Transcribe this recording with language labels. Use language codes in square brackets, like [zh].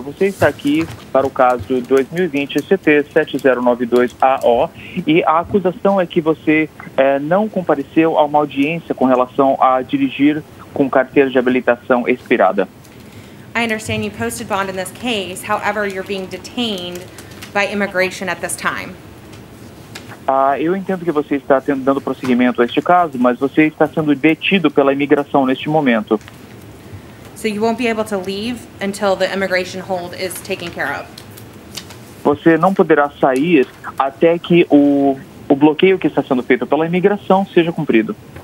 [pt] Você está aqui para o caso 2020-CT-7092-AO e a acusação é que você não compareceu a uma audiência com relação a dirigir com carteira de habilitação expirada. [en] I understand you posted bond in this case, however, you're being detained by immigration at this time. [pt] Eu entendo que você está dando prosseguimento a este caso, mas você está sendo detido pela imigração neste momento. [en] So you won't be able to leave until the immigration hold is taken care of. [pt] você não poderá sair até que o bloqueio que está sendo feito pela imigração seja cumprido.